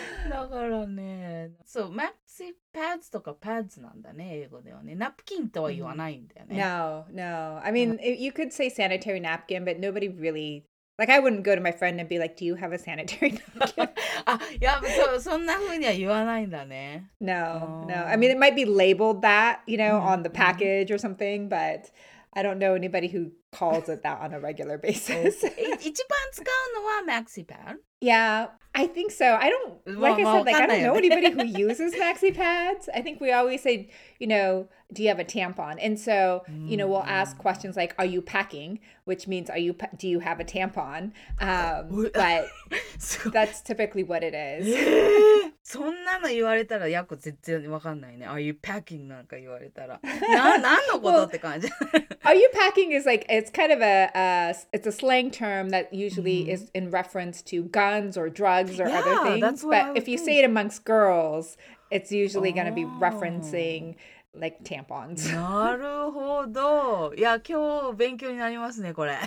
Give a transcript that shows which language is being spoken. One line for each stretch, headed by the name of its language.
Japanese: だからね、そう、マクシーパッツとかパッツなんだね、英語ではね。ナプキンとは言わないんだよね。
English: No, no. I mean, you could say sanitary napkin, but nobody really... Like, I wouldn't go to my friend and be like, do you have a sanitary napkin?
Japanese: あ、いや、そんな風には言わないんだね。
English: No, no. I mean, it might be labeled that, you know, on the package or something, but I don't know anybody who calls it that on a regular basis.
Japanese: 一番使うのは maxi pad?
English: Yeah, I think so. I don't, like I said, like, I don't know anybody who uses maxi pads. I think we always say, you know, do you have a tampon? And so, you know, we'll ask questions like, are you packing? Which means, are you, do you have a tampon? But that's typically what it is.
Japanese: そんなの言われたら、ヤコ絶対わかんないね。
English: Are you packing?
Japanese: なんか言われたら。なんのことって感じ。
English: Are you packing is like, it's kind of a, it's a slang term that usually is in reference to guns or drugs or other things. But if you say it amongst girls, it's usually going to be referencing... Like tampons.
Japanese: なるほど。いや、今日勉強になりますね、これ。